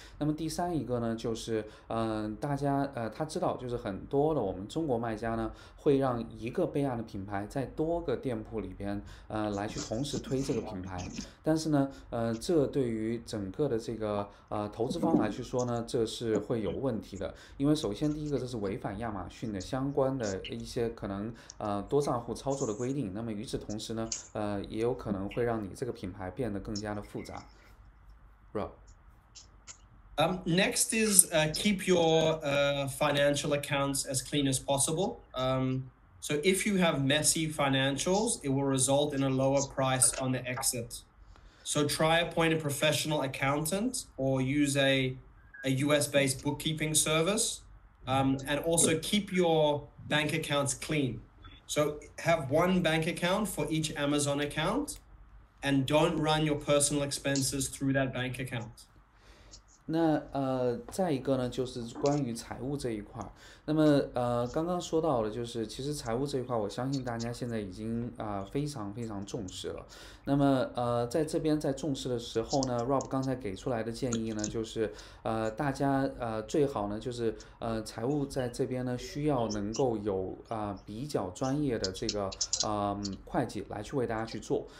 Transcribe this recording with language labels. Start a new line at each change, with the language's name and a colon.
Chinese: 那么第三一个呢，就是大家他知道，就是很多的我们中国卖家呢，会让一个备案的品牌在多个店铺里边来去同时推这个品牌，但是呢这对于整个的这个投资方来去说呢，这是会有问题的。因为首先第一个，这是违反亚马逊的相关的一些可能多账户操作的规定，那么与此同时呢也有可能会让你这个品牌变得更加的复杂。 Rob，
English: Next is keep your financial accounts as clean as possible. So if you have messy financials, it will result in a lower price on the exit. So try appoint a professional accountant or use a US-based bookkeeping service, and also keep your bank accounts clean. So have one bank account for each Amazon account and don't run your personal expenses through that bank account.
Chinese: 那再一个呢，就是关于财务这一块。那么刚刚说到了，就是其实财务这一块，我相信大家现在已经非常非常重视了。那么在这边在重视的时候呢，Rob 刚才给出来的建议呢，就是大家最好呢就是财务在这边呢需要能够有比较专业的这个会计来去为大家去做。